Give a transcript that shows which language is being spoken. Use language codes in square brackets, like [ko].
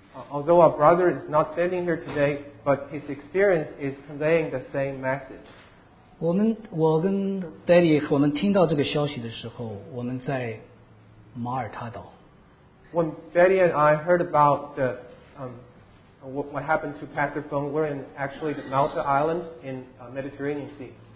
[en] Although our brother is not standing here today, but his experience is conveying the same message. [zh] 我跟 Daddy 我们听到这个消息的时候，我们在马耳他岛。 [en] When Daddy and I heard about the what happened to Pastor Fong, we're in actually the Malta Island in Mediterranean Sea.